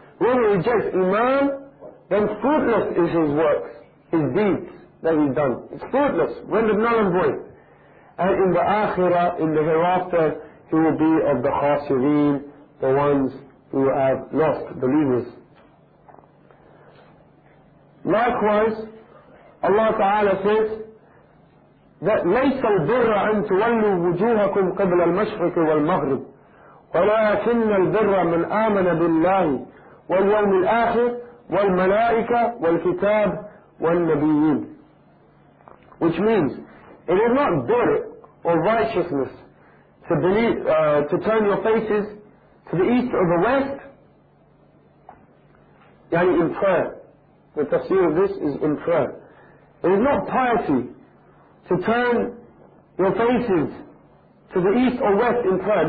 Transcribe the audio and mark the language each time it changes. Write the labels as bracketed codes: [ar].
[en] When he rejects Iman, then fruitless is his works, his deeds that he's done. It's fruitless, rendered null and void. And in the Akhirah, in the hereafter, he will be of the khasirin, the ones who have lost believers. Likewise, Allah Ta'ala says that [ar] لَيْسَ الْبِرَّ أَن تُوَلُّوا وُجُوهَكُمْ قَبْلَ الْمَشْرِقِ وَالْمَغْرِبِ وَلَكِنَّ الْبِرَّ مَنْ آمَنَ بِاللَّهِ وَالْيَوْمِ الْآخِرِ وَالْمَلَائِكَةِ وَالْكِتَابِ وَالنَّبِيِّينَ. [en] Which means, it is not birr or righteousness to believe, to turn your faces to the east or the west, yani in prayer. The tafsir of this is in prayer. It is not piety to turn your faces to the east or west in prayer.